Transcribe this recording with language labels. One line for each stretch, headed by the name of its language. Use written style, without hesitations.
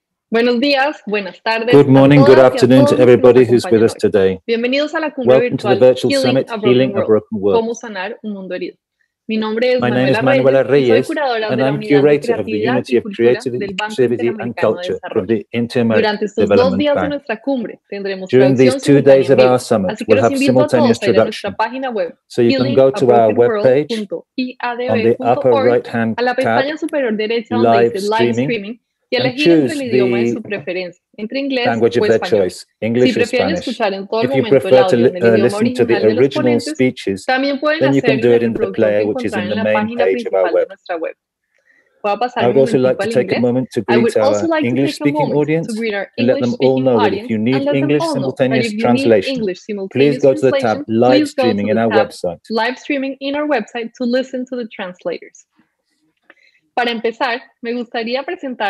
Spanish: Buenos días, buenas tardes.
English: Good morning, good afternoon to everybody who's with us today.
Spanish: Bienvenidos a la cumbre virtual,
English: to the virtual summit, Healing a Broken World.
Spanish: ¿Cómo sanar un mundo herido? Mi nombre es
English: My name is Manuela Reyes, and I'm curator of the Unity of Creativity and Culture from the Inter-American Development Bank.
Spanish: Durante estos dos días de nuestra cumbre, tendremos
English: During these 2 days of our summit, we'll have simultaneous traduction. Web, so you can go to our webpage on the upper right-hand tab,
Spanish: live streaming, y elegir el idioma de su preferencia, entre inglés o español.
English: Their choice, English
Spanish: si prefieren Escuchar en todo el momento el audio en el idioma original, original de los ponentes, también pueden hacerlo en el player, que encontrarán en la página principal de nuestra web.
English: I would also like to take a moment to greet our English-speaking audience and let them all know that if you need English simultaneous translation, please go to the tab live streaming in our website. Live streaming in our website to listen to the translators.
Spanish: Para empezar, me gustaría presentar